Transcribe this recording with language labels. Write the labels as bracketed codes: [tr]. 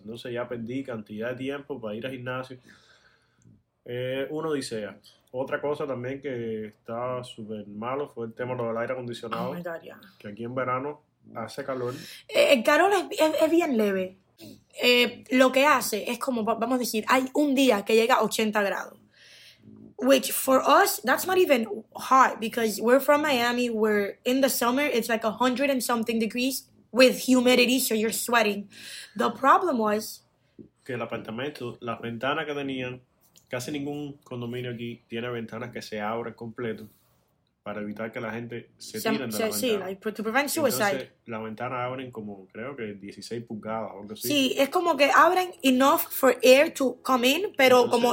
[es] Entonces ya perdí cantidad de tiempo para ir al gimnasio. Una odisea. Otra cosa también que estaba súper malo fue el tema del aire [en] Oh my [es] acondicionado, [en] God, yeah. [es] que aquí en verano hace calor. El calor es bien leve. Lo que hace es como, vamos a decir, hay un día que llega a 80 grados. [en] Which for us, that's not even hot because we're from Miami, where in the summer it's like 100 and something degrees with humidity, so you're sweating. The problem was. [es] Que el apartamento, las ventanas que tenían, casi ningún condominio aquí tiene ventanas que se abren completo para evitar que la gente se tiren de la Sí, ventana. [en] like to prevent suicide. [es] Entonces, las ventanas abren como creo que 16 pulgadas o algo así. Sí, es como que abren [en] enough for air to come in, [es] pero como